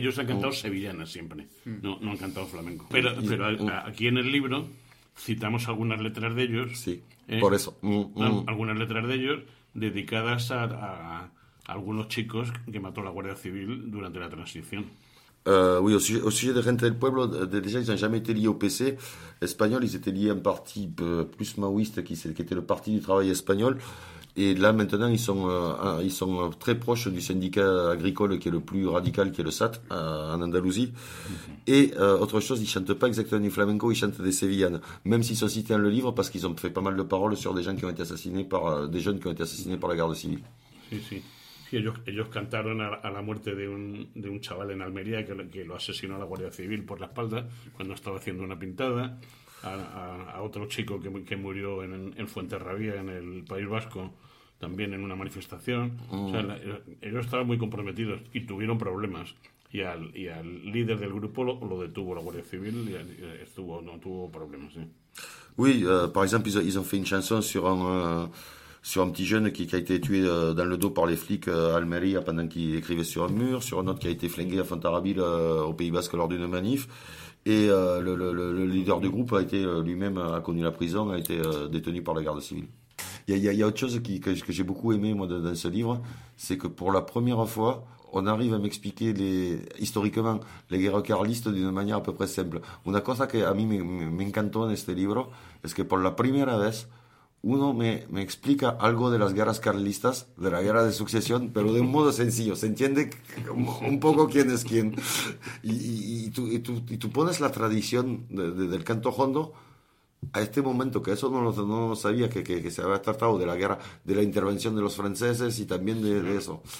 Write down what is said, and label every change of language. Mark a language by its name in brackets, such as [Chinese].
[Spanish] ellos han cantado sevillanas siempre. No, no han cantado flamenco. Pero aquí en el libro citamos algunas letras de ellos, Sí, por ¿eh? eso. Algunas letras de ellos dedicadas a algunos chicos que mató la Guardia Civil durante la transición. [French] Oui, au sujet de Gente del Pueblo, déjà, ils n'ont jamais été liés au PC espagnol, ils étaient liés à un parti plus maoïste qui était le Parti du Travail espagnol. Et là, maintenant, ils sont très proches du syndicat agricole qui est le plus radical, qui est le SAT, en Andalousie. Et autre chose, ils chantent pas exactement du flamenco, ils chantent des sévillanes. Même s'ils sont cités dans le livre, parce qu'ils ont fait pas mal de paroles sur des gens qui ont été assassinés par des jeunes qui ont été assassinés par la garde civile. [Spanish] Sí. Sí, ellos cantaron a la muerte de un chaval en Almería que lo asesinó a la Guardia Civil por la espalda cuando estaba haciendo una pintada, a otro chico que murió en Fuenterrabía, en el País Vasco, también en una manifestación. O sea, ellos estaban muy comprometidos y tuvieron problemas. Y al líder del grupo lo detuvo la Guardia Civil y estuvo, no tuvo problemas, ¿eh? [French] Oui, par exemple, ils ont fait une chanson sur un petit jeune qui a été tué dans le dos par les flics à Almeria pendant qu'il écrivait sur un mur, sur un autre qui a été flingué à Fontarabile au Pays Basque lors d'une manif. Et le leader du groupe a été lui-même a connu la prison, a été détenu par la garde civile. Il y a autre chose que j'ai beaucoup aimé moi, dans ce livre, c'est que pour la première fois, on arrive à m'expliquer historiquement les guerres carlistes d'une manière à peu près simple. [Spanish] Una cosa que a mí me encantó en este libro es que por la primera vez, uno me explica algo de las guerras carlistas, de la guerra de sucesión, pero de un modo sencillo. Se entiende un poco quién es quién. Y tú pones la tradición del canto jondo a este momento, que eso no lo sabía, que se había tratado de la guerra, de la intervención de los franceses y también de eso.